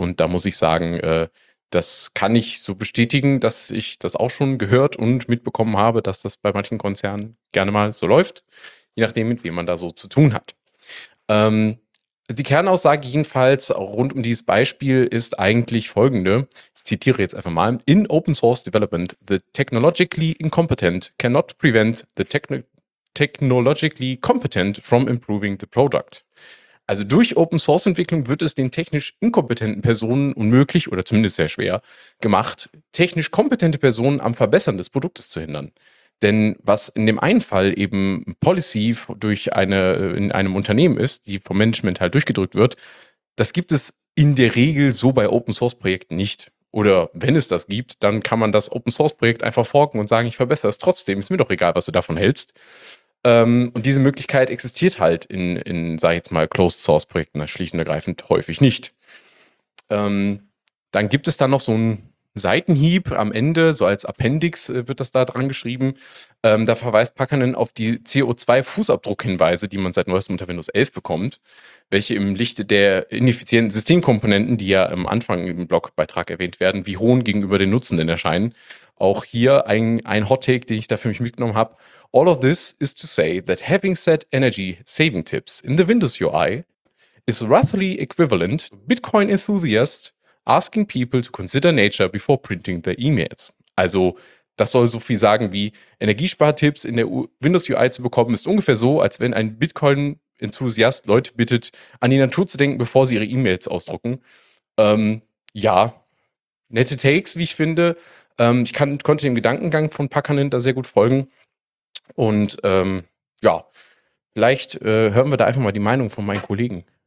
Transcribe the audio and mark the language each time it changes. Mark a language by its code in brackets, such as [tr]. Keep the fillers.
[de] Und da muss ich sagen, äh, das kann ich so bestätigen, dass ich das auch schon gehört und mitbekommen habe, dass das bei manchen Konzernen gerne mal so läuft, je nachdem, mit wem man da so zu tun hat. Ähm, die Kernaussage jedenfalls rund um dieses Beispiel ist eigentlich folgende. Ich zitiere jetzt einfach mal. [en] In Open Source Development, the technologically incompetent cannot prevent the techni technologically competent from improving the product. [de] Also durch Open Source Entwicklung wird es den technisch inkompetenten Personen unmöglich oder zumindest sehr schwer gemacht, technisch kompetente Personen am Verbessern des Produktes zu hindern. Denn was in dem einen Fall eben Policy durch eine, in einem Unternehmen ist, die vom Management halt durchgedrückt wird, das gibt es in der Regel so bei Open Source Projekten nicht. Oder wenn es das gibt, dann kann man das Open Source Projekt einfach forken und sagen, ich verbessere es trotzdem, ist mir doch egal, was du davon hältst. Ähm, und diese Möglichkeit existiert halt in, in sage ich jetzt mal, Closed Source Projekten schlicht und ergreifend häufig nicht. Ähm, dann gibt es da noch so ein Seitenhieb am Ende, so als Appendix wird das da dran geschrieben. Ähm, da verweist Packernen auf die CO2-Fußabdruck-Hinweise, die man seit neuestem unter Windows 11 bekommt, welche im Lichte der ineffizienten Systemkomponenten, die ja am Anfang im Blogbeitrag erwähnt werden, wie hohen gegenüber den Nutzenden erscheinen. Auch hier ein, ein Hot Take, den ich da für mich mitgenommen habe. [en] All of this is to say that having set energy saving tips in the Windows UI is roughly equivalent to Bitcoin enthusiasts asking people to consider nature before printing their emails. [de] Also, das soll so viel sagen wie Energiespartipps in der U Windows UI zu bekommen, ist ungefähr so, als wenn ein Bitcoin-Enthusiast Leute bittet, an die Natur zu denken, bevor sie ihre E-Mails ausdrucken. Ähm, ja, nette Takes, wie ich finde. Ähm, ich kann, konnte dem Gedankengang von Packernin da sehr gut folgen. Und ähm, ja, vielleicht äh, hören wir da einfach mal die Meinung von meinen Kollegen.